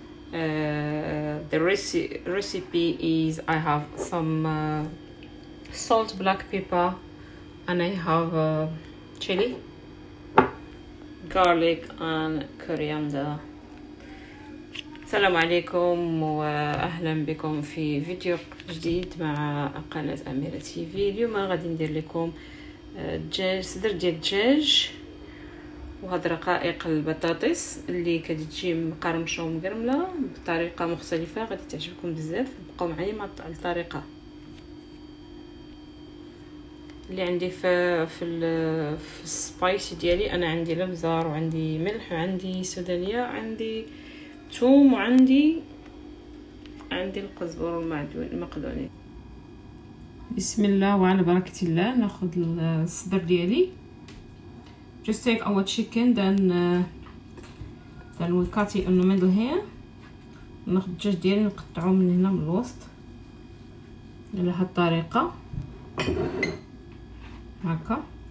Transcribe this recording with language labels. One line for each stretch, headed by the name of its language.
English: The recipe is I have some salt, black pepper, and I have chili, garlic and coriander.
Arabic: السلام عليكم واهلا بكم في فيديو جديد مع قناة أميرة تي في. اليوم غادي ندير لكم دجاج، صدر ديال الدجاج وهاد رقائق البطاطس اللي كتجي مقرمشه ومقرمله بطريقه مختلفه، غادي تعجبكم بزاف. بقاو معايا مع الطريقه اللي عندي في السبايسي ديالي. انا عندي الابزار وعندي ملح وعندي سودانية وعندي ثوم وعندي القزبر والمقدوني. بسم الله وعلى بركة الله. ناخذ الصدر ديالي.
English: Just take our chicken then we cut it in the middle here.
Arabic: ناخذ الدجاج ديالي نقطعه من هنا من الوسط على هذه الطريقة هكا.